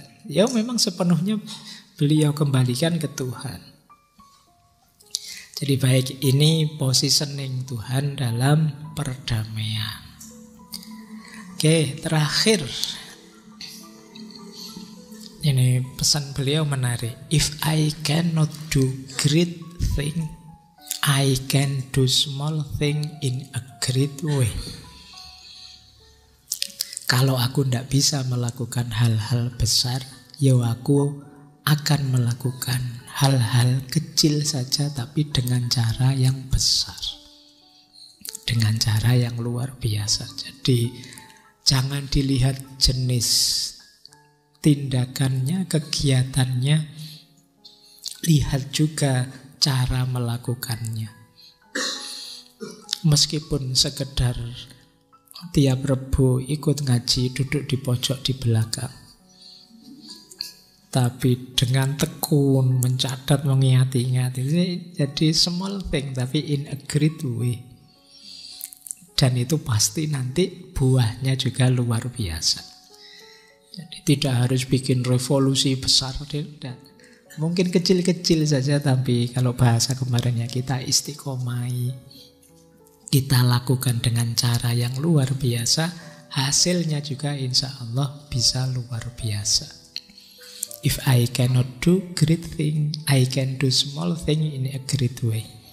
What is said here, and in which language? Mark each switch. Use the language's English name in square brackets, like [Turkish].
[Indonesian] Ya memang sepenuhnya beliau kembalikan ke Tuhan. Jadi baik, ini positioning Tuhan dalam perdamaian. Oke, terakhir. Ini pesan beliau menarik. [English] If I cannot do great thing, I can do small thing in a great way. [Indonesian] Kalau aku tidak bisa melakukan hal-hal besar, ya aku akan melakukan hal-hal kecil saja, tapi dengan cara yang besar, dengan cara yang luar biasa. Jadi jangan dilihat jenis tindakannya, kegiatannya, lihat juga cara melakukannya. Meskipun sekedar tiap Rebo ikut ngaji, duduk di pojok di belakang, tapi dengan tekun mencatat, mengingat-ingat. [English] Jadi small thing [Indonesian] tapi [English] in a great way. [Indonesian] Dan itu pasti nanti buahnya juga luar biasa. Jadi tidak harus bikin revolusi besar. Dan mungkin kecil-kecil saja, tapi kalau bahasa kemarinnya kita istiqomai, kita lakukan dengan cara yang luar biasa, hasilnya juga insya Allah bisa luar biasa. [English] If I cannot do great thing, I can do small thing in a great way.